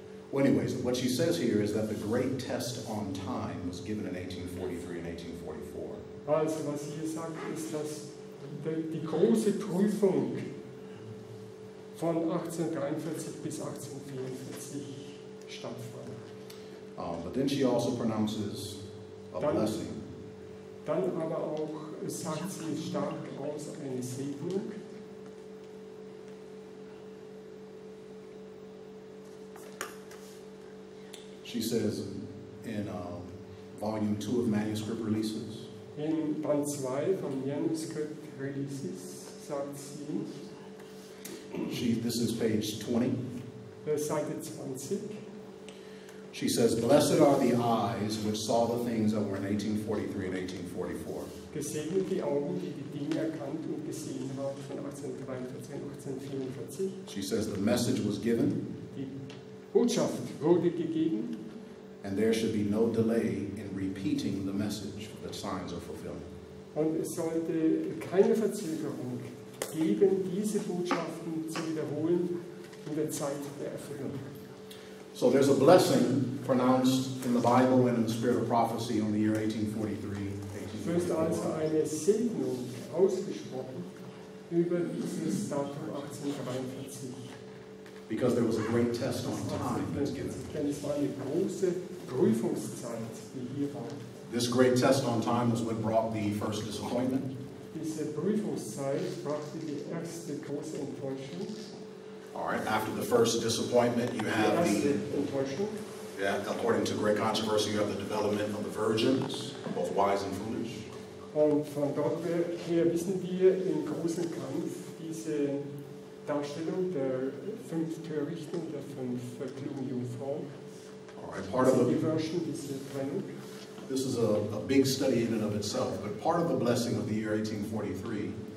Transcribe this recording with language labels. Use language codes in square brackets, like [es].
[en] Well, anyways, what she says here is that the great test on time was given in 1843 and 1844. [de] Also, was sie sagt, ist, dass die große Prüfung von 1843 bis 1844 stattfand. [en] But then she also pronounces a blessing. [de] Dann aber auch sagt sie stark aus eine Segnung. [en] She says in volume 2 of manuscript releases. [de] In Band 2 von manuscript releases, sagt sie. [en] This is page 20. [de] Seite 20. [en] She says, blessed are the eyes which saw the things that were in 1843 and 1844. [de] Gesegnet die Augen, die Dinge erkannt und gesehen haben von 1843 und 1844. [en] She says the message was given. [de] Die Botschaft wurde gegeben. [en] And there should be no delay in repeating the message that signs are fulfilling. [de] Und es sollte keine Verzögerung geben, diese Botschaften zu wiederholen in der Zeit der Erfüllung. [en] So there's a blessing pronounced in the Bible and in the spirit of prophecy on the year 1843, 1844. [de] Wird also eine Segnung ausgesprochen über dieses Datum 1843. [en] Because there was a great test on time that's given. [de] Denn es war eine große Prüfungszeit, die hier war. [en] This great test on time was what brought the first disappointment. [de] Diese Prüfungszeit brachte die erste große Enttäuschung. [en] All right, after the first disappointment, you have the [de] Enttäuschung. [en] Yeah, according to great controversy, you have the development of the virgins, both wise and foolish. [de] Und von dort her wissen wir im großen Kampf diese Darstellung der fünf Törichten, der fünf klugen Jungfrauen. [en] Part of the [de] version, diese Trennung. [en] This is a big study in and of itself, but part of the blessing of the year 1843.